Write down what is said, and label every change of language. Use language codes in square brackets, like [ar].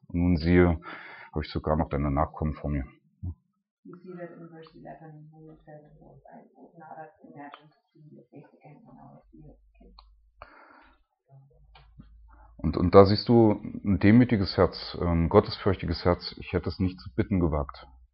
[de] Und nun siehe, habe ich sogar noch deine Nachkommen vor mir. [en] You see that in verse 11, when it says, I would not have imagined to see your face again when I was with you. [de] Und da siehst du ein demütiges Herz, ein gottesfürchtiges Herz. Ich hätte es nicht zu bitten gewagt.